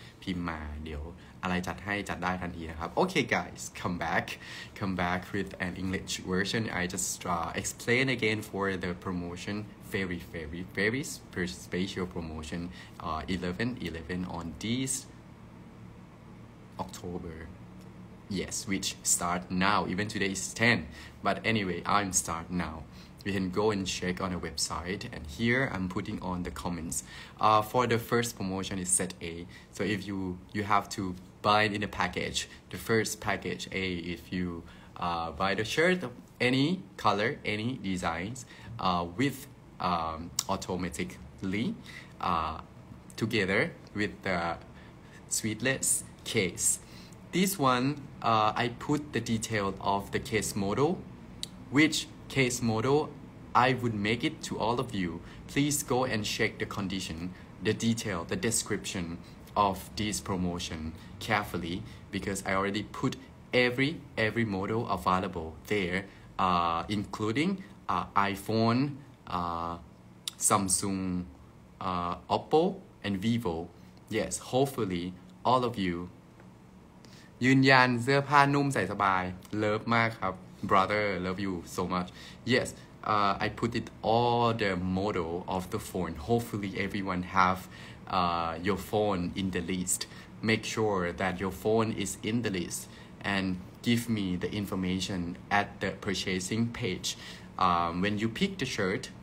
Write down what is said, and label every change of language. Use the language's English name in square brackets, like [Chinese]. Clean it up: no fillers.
[Thai] พิมพ์มาเดี๋ยวอะไรจัดให้จัดได้ทันทีนะครับโอเค [English] guys come back with an English version I just explain again for the promotion very very very special promotion 11/11 on this October yes which start now even today is 10 but anyway I'm start nowWe can go and check on a website, and here I'm putting on the comments. For the first promotion is set A. So if you have to buy in a package, the first package A. If you buy the shirt any color, any designs, with automatically, together with the sweetless case. This one, I put the detail of the case model, which case model. I would make it to all of you. Please go and check the condition, the detail, the description of this promotion carefully because I already put every model available there, including iPhone, Samsung, Oppo, and Vivo. Yes, hopefully all of you. [Thai] ยืนยันเสื้อผ้านุ่มใส่สบายเลิฟมากครับ [English] brother love you so much. Yes. I put it all the model of the phone. Hopefully everyone have your phone in the list. Make sure that your phone is in the list and give me the information at the purchasing page. When you pick the shirt,